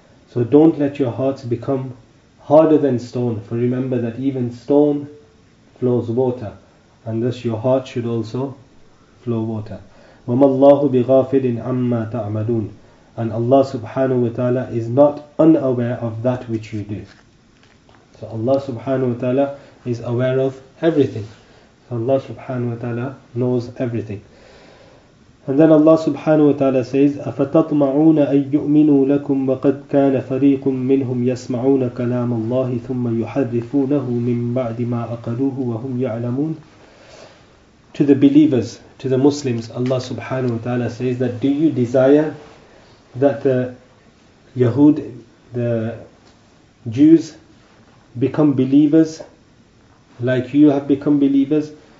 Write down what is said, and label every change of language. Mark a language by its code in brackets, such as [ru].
[en] So don't let your hearts become harder than stone, for remember that even stone flows water, and thus your heart should also flow water. [ar] وَمَا اللَّهُ بِغَافِلٍ عَمَّا تَعْمَلُونَ. [en] And Allah subhanahu wa ta'ala is not unaware of that which you do. So Allah subhanahu wa ta'ala is aware of everything. So Allah subhanahu wa ta'ala knows everything. And then Allah subhanahu wa ta'ala says, [ar] أَفَتَطْمَعُونَ أَن يُؤْمِنُوا لَكُمْ وَقَدْ كَانَ فَرِيقٌ مِّنْهُمْ يَسْمَعُونَ كَلَامَ اللَّهِ ثُمَّ يُحَرِّفُونَهُ مِنْ بَعْدِ مَا أَقَلُوهُ وَهُمْ يَعْلَمُونَ. [en] To the believers, to the Muslims, Allah subhanahu wa ta'ala says that, do you desire that the Yahud, the Jews become believers like you have become believers.